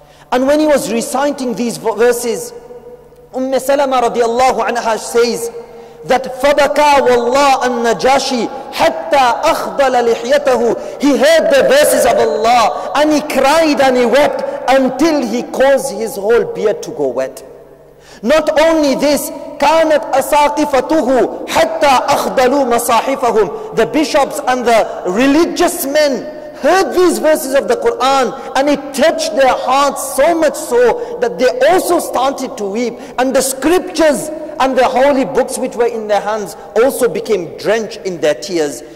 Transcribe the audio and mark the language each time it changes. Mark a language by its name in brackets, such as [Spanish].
[English] And when he was reciting these verses, Umm Salama radiallahu anha says that [Arabic] Fabaka wallah An-Najashi hatta akhdala lihyatahu. [English] He heard the verses of Allah and he cried and he wept until he caused his whole beard to go wet. Not only this, [Arabic] كانت أساقفته حتى أخذلوا مصاحفهم. [English] The bishops and the religious men heard these verses of the Quran and it touched their hearts so much so that they also started to weep, and the scriptures and the holy books which were in their hands also became drenched in their tears.